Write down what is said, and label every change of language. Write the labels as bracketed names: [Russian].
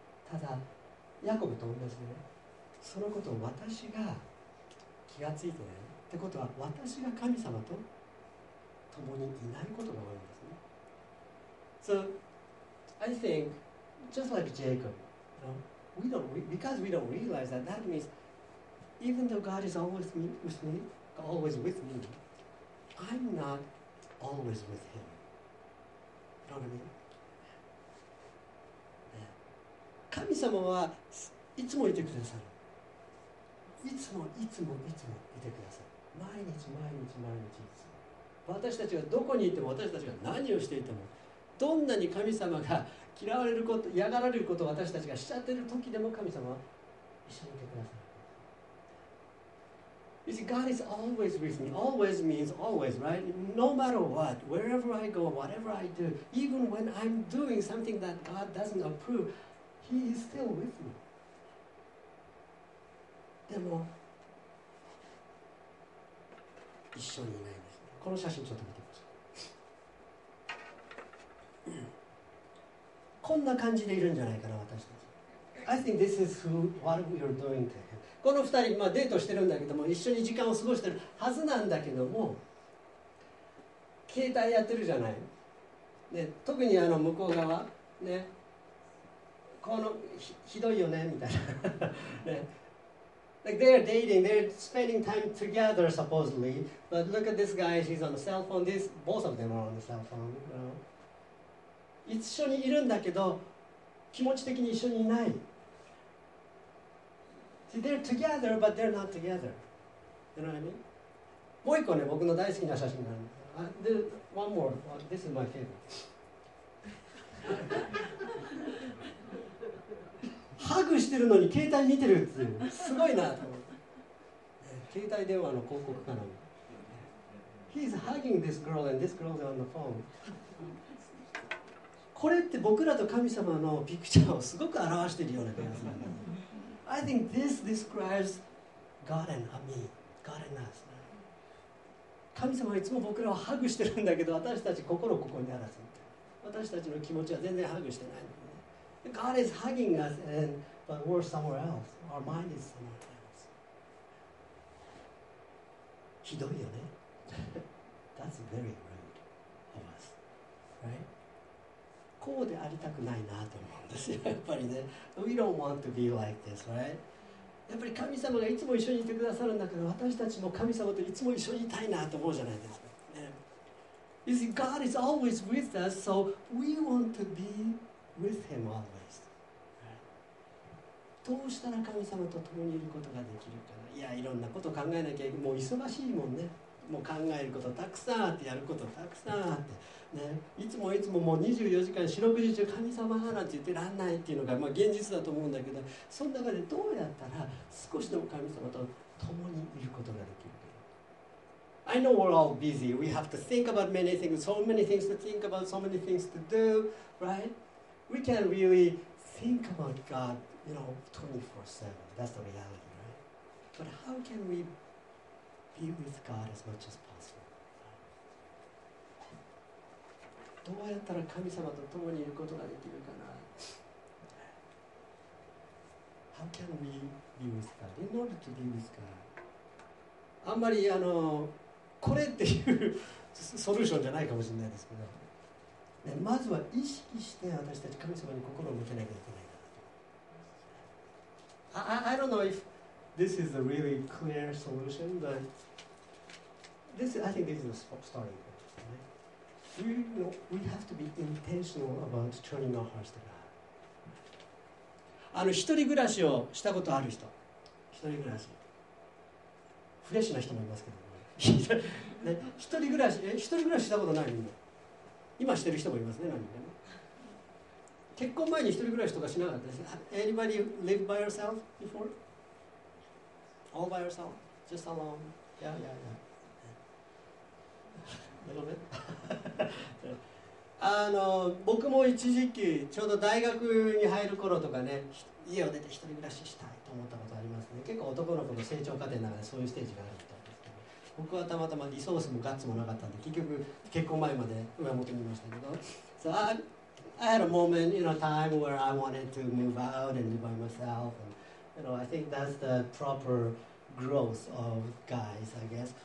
[Japanese] ただヤコブと同じでね、そのことを私が気がついてないってことは、私が神様と共にいないことが多いんですね。 [English] So I think just like Jacob, you know, because we don't realize that, that means even though God is always with me, always with me, I'm notalways with him. You know what I mean? [Japanese] 神様はいつもいてくださる。いつもいつもいつもいてください。毎日毎日毎日いつも。私たちがどこにいても、私たちが何をしていても、どんなに神様が嫌われること、嫌がられることを私たちがしちゃってる時でも神様は一緒にいてください。 [English] You see, God is always with me. Always means always, right? No matter what, wherever I go, whatever I do, even when I'm doing something that God doesn't approve, He is still with me. [Japanese] でも、一緒にいないんですね。この写真ちょっと見てください。こんな感じでいるんじゃないかな、私たち。 [English] I think this is who, what we are doing to him. [Japanese] この二人、まあ、デートしてるんだけども、一緒に時間を過ごしてるはずなんだけども、携帯やってるじゃない。で、特にあの向こう側、ね、この ひどいよね、みたいな。 [English] ね、like、they are dating, they are spending time together, supposedly. But look at this guy, he's on the cell phone. This, both of them are on the cell phone. You know? [Japanese] 一緒にいるんだけど、気持ち的に一緒にいない。 [English] See, they're together, but they're not together. You know what I mean? [Japanese] もう一個ね、僕の大好きな写真があるん [English] です。One more. Well, this is my favorite. [Japanese] ハグしてるのに携帯見てるっていう。すごいなと思う。携帯電話の広告かな。 [English] He's hugging this girl and this girl's on the phone. [Japanese] これって僕らと神様のピクチャーをすごく表してるような気がする。 [English] I think this describes God and me, God and us. [Japanese] 神様はいつも僕らをハグしてるんだけど、私たち心ここにあらず。私たちの気持ちは全然ハグしてない。 [English] God is hugging us, and, but we're somewhere else. Our mind is somewhere else. [Japanese] ひどいよね。 [English] That's very rude of us, right? [Japanese] こうでありたくないなと思うんですよ、やっぱりね。 [English] We don't want to be like this, right? [Japanese] やっぱり神様がいつも一緒にいてくださるんだけど、私たちも神様といつも一緒にいたいなと思うじゃないですか。ね、 [English] you see, God is always with us, so we want to be with Him always. [Japanese] どうしたら神様と共にいることができるかな。いや、いろんなことを考えなきゃ、もう忙しいもんね。もう考えることたくさんあって、やることたくさんあって、ね、いつもいつももう24時間四六時中神様なんて言ってらんないっていうのが、まあ、現実だと思うんだけど、その中でどうやったら少しでも神様と共にいることができる。 [English] I know we're all busy. We have to think about many things, so many things to think about, so many things to do, right? We can't really think about God, you know, 24/7. That's the reality, right? But how can we be with God as much as possible? [Japanese] どうやったら神様と共にいることができるかな? [English] How can we be with God? In order to be with God, [Japanese] あんまりあのこれっていうソリューションじゃないかもしれないですけど、でまずは意識して私たち神様に心を向けなきゃいけないかなと。 [English] I don't know if this is a really clear solution, but this, I think this is a starting point.、Right? We have to be intentional about turning our hearts to God. [Japanese] あの一人暮らしをしたことある人、一人暮らし、フレッシュな人もいますけど、ね、一人暮らし、一人暮らししたことないの。今してる人もいますね、何人でも。結婚前に一人暮らしとかしなかったです。 [English] Anybody live by yourself before? All by yourself? Just alone? Yeah, yeah, yeah. A little bit? [Japanese] あの僕も一時期、ちょうど大学に入る頃とかね、家を出て一人暮らししたいと思ったことありますね。結構男の子の成長過程の中でそういうステージがあると。僕はたまたまリソースもガッツもなかったんで、結局結婚前まで上元にいましたけど。 [English] So I had a moment, you know, time where I wanted to move out and live by myself. And, you know, I think that's the proper growth of guys, I guess.